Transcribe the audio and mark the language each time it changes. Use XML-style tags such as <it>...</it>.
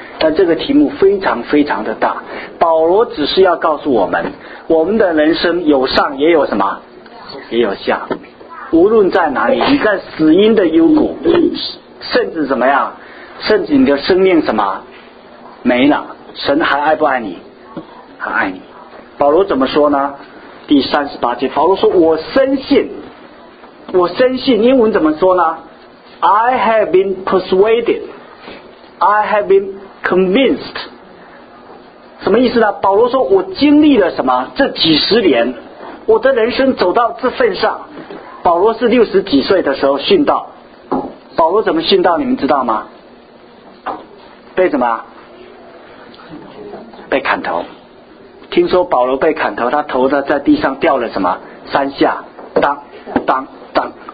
<zh>但这个题目非常非常的大，保罗只是要告诉我们，我们的人生有上也有什么，也有下，无论在哪里，你在死因的幽谷，甚至怎么样？甚至你的生命什么没了，神还爱不爱你？他爱你。保罗怎么说呢？第三十八节，保罗说：“我深信，我深信。” 英文怎么说呢 ？</zh> <en>I have been persuaded, I have been convinced。</en> <zh>什么意思呢？保罗说：“我经历了什么？这几十年，我的人生走到这份上。” 保罗是六十几岁的时候殉道。保罗怎么殉道？你们知道吗？被什么？被砍头。听说保罗被砍头，他头呢在地上掉了什么三下，当当当。</zh>